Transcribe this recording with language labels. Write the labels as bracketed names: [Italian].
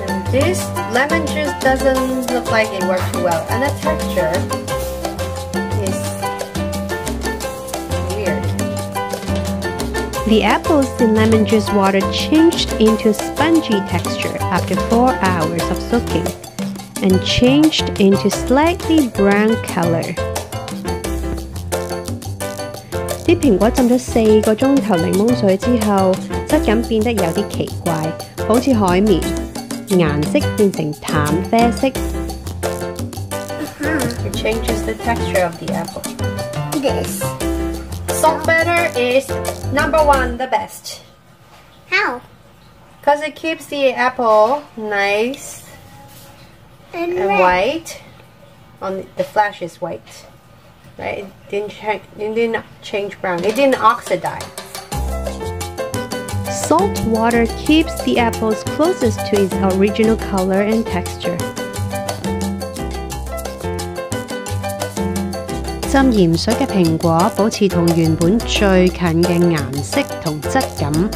[English] This lemon juice doesn't look like it worked too well, and the texture is weird. The apples in lemon juice water changed into spongy texture after 4 hours of soaking, and changed into slightly brown color. [Cantonese] 啲苹果浸咗四个钟头柠檬水之后，质感变得有啲奇怪，好似海绵，颜色变成淡啡色。 [English] It changes the texture of the apple. This salt butter is number one, the best. How? Because it keeps the apple nice and white. On the flesh is white. Right, it didn't change brown. It didn't oxidize. Salt water keeps the apples closest to its original color and texture. [Cantonese] 浸鹽水的蘋果保持同原本最近的顏色和質感。